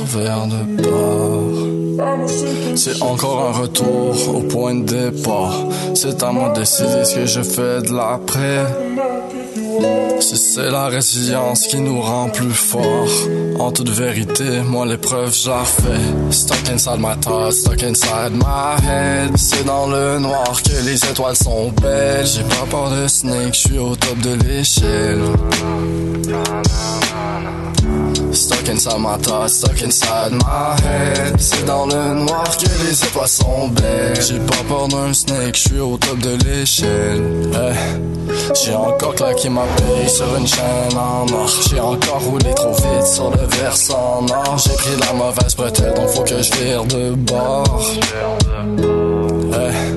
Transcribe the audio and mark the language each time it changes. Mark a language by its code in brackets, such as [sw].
[fr] Vire de bord. C'est encore un retour au point de départ. C'est à moi de décider ce que je fais de l'après. Si c'est la résilience qui nous rend plus forts. En toute vérité, moi l'épreuve j'ai fait. [en] Stuck inside my thoughts, stuck inside my head. [fr] C'est dans le noir que les étoiles sont belles. J'ai pas peur de snake, j'suis au top de l'échelle. [en] Stuck inside my thoughts, stuck inside my head. [fr] C'est dans le noir que les étoiles sont belles. J'ai pas peur d'un snake, j'suis au top de l'échelle, hey. J'ai encore claqué ma paye sur une chaîne en or. J'ai encore roulé trop vite sur le versant nord. J'ai pris la mauvaise bretelle, donc faut que je vire de bord, hey.